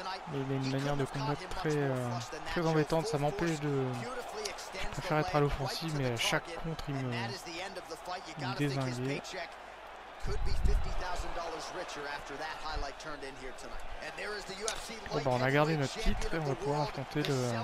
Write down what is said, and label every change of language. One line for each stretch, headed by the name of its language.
French: Mais il a une manière de combattre très, très embêtante, ça m'empêche de. Je préfère être à l'offensive, mais à chaque contre, il me désingue.
English: Could be $50,000 richer after that highlight turned in here tonight. And there is the UFC light.
French: Bon, on a gardé notre titre et on va pouvoir affronter le.